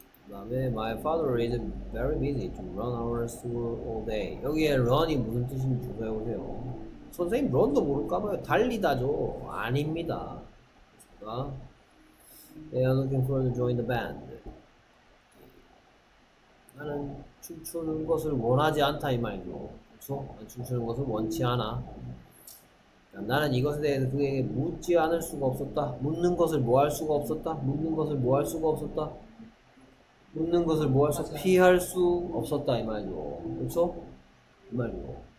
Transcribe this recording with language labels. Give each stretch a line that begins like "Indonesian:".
Korean: 다음에
English: My father is very busy to run our school all day.
Korean: 여기에 run이 무슨 뜻인지 조사해보세요. 선생님, run도 모를까봐요. 달리다죠. 아닙니다. 그러니까
English: They are looking for to join the band.
Korean: 나는 춤추는 것을 원하지 않다, 이 말이죠. 그쵸? 나는 춤추는 것을 원치 않아. 나는 이것에 대해서 그에게 묻지 않을 수가 없었다. 묻는 것을 뭐할 수가 없었다. 묻는 것을 뭐할 수가 없었다. 묻는 것을 뭐할 수, 피할 수 없었다, 이 말이죠. 그쵸? 이 말이죠.